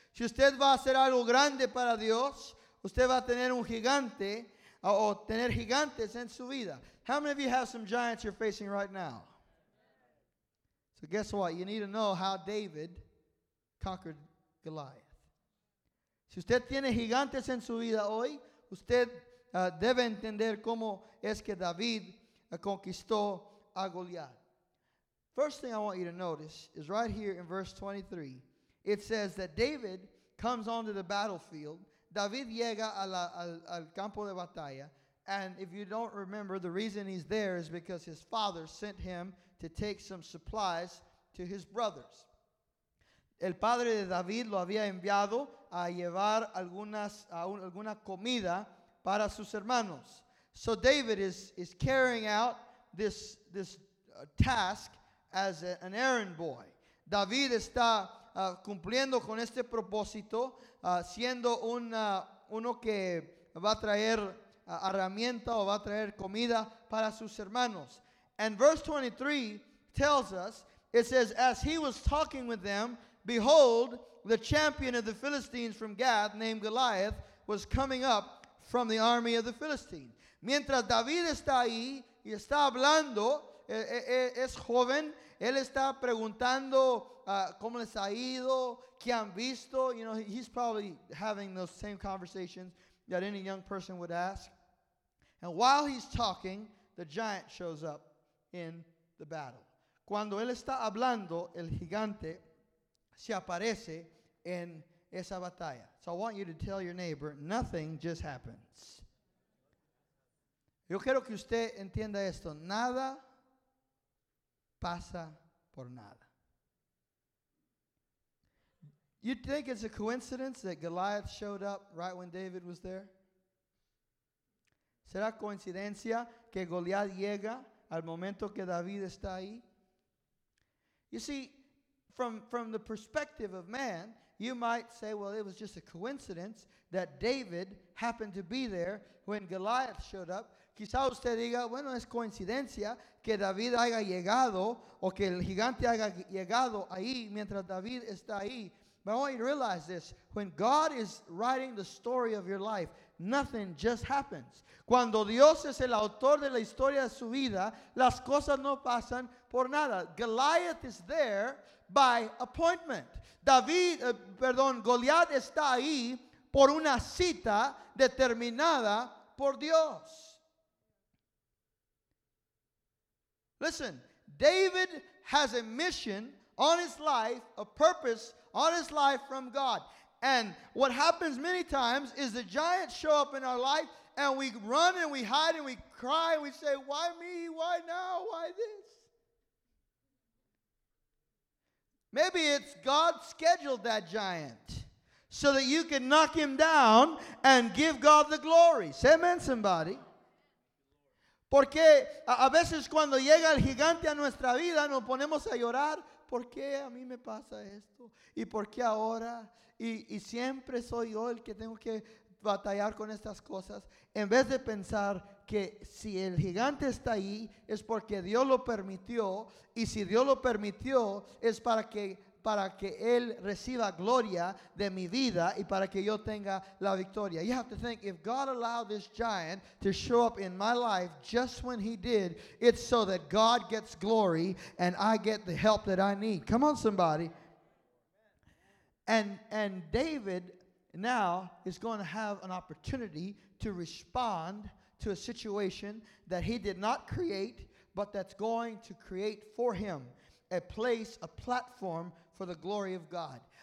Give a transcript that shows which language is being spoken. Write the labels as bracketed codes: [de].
[es] Si usted va a hacer algo grande para Dios, usted va a tener un gigante. O tener gigantes en su vida. [en] How many of you have some giants you're facing right now? So guess what? You need to know how David conquered Goliath. [es] Si usted tiene gigantes en su vida hoy, usted debe entender cómo es que David conquistó a Goliath. [en] First thing I want you to notice is right here in verse 23. It says that David comes onto the battlefield. [es] David llega al campo de batalla, [en] and if you don't remember, the reason he's there is because his father sent him to take some supplies to his brothers. [es] El padre de David lo había enviado a llevar alguna comida para sus hermanos. [en] So David is carrying out this task as an errand boy. [es] David está cumpliendo con este propósito, siendo uno que va a traer herramienta o va a traer comida para sus hermanos. [en] And verse 23 tells us, it says, as he was talking with them, behold, the champion of the Philistines from Gath, named Goliath, was coming up from the army of the Philistines. [es] Mientras David está ahí y está hablando, es joven, él está preguntando cómo les ha ido, qué han visto. [en] You know, he's probably having those same conversations that any young person would ask. And while he's talking, the giant shows up in the battle. [es] Cuando él está hablando, el gigante se aparece en, esa batalla. [en] So I want you to tell your neighbor, nothing just happens. [es] Yo quiero que usted entienda esto. Nada pasa por nada. [en] You think it's a coincidence that Goliath showed up right when David was there? [es] ¿Será coincidencia que Goliath llega al momento que David está ahí? [en] You see, from the perspective of man, you might say, well, it was just a coincidence that David happened to be there when Goliath showed up. [es] Quizá usted diga, bueno, es coincidencia que David haya llegado o que el gigante haya llegado ahí mientras David está ahí. [en] But I want you to realize this. When God is writing the story of your life, nothing just happens. [es] Cuando Dios es el autor de la historia de su vida, las cosas no pasan por nada. [en] Goliath is there by appointment. [es] Goliath está ahí por una cita determinada por Dios. [en] Listen, David has a mission on his life, a purpose on his life from God. And what happens many times is the giants show up in our life and we run and we hide and we cry and we say, why me? Why now? Why this? Maybe it's God scheduled that giant so that you can knock him down and give God the glory. Say amen, somebody. [es] Porque a veces cuando llega el gigante a nuestra vida nos ponemos a llorar. ¿Por qué a mí me pasa esto? ¿Y por qué ahora? Y siempre soy yo el que tengo que batallar con estas cosas. En vez de pensar que si el gigante está ahí, es porque Dios lo permitió. Y si Dios lo permitió, es para que Él reciba gloria de mi vida y para que yo tenga la victoria. [en] You have to think, if God allowed this giant to show up in my life just when he did, it's so that God gets glory and I get the help that I need. Come on, somebody. And David now is going to have an opportunity to respond to a situation that he did not create, but that's going to create for him a place, a platform for the glory of God.